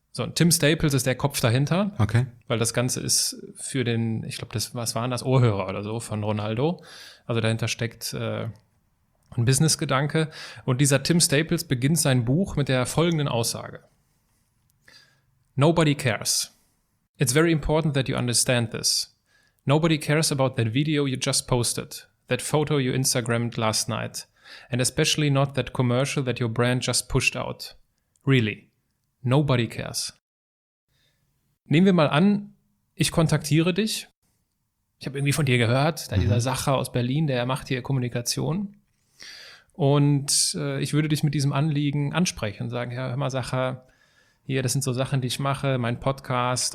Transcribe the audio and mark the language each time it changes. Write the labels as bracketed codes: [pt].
[de] So, Tim Staples ist der Kopf dahinter. Okay. Weil das Ganze ist für den, ich glaube, das, was waren das, Ohrhörer oder so von Ronaldo. Also dahinter steckt ein Business-Gedanke. Und dieser Tim Staples beginnt sein Buch mit der folgenden Aussage. [en] Nobody cares. It's very important that you understand this. Nobody cares about that video you just posted, that photo you Instagrammed last night, and especially not that commercial that your brand just pushed out. Really. Nobody cares. [de] Nehmen wir mal an, ich kontaktiere dich. Ich habe irgendwie von dir gehört, da dieser Sacher aus Berlin, der macht hier Kommunikation. Und ich würde dich mit diesem Anliegen ansprechen und sagen, ja, hör mal, Sacher, hier, das sind so Sachen, die ich mache, mein Podcast.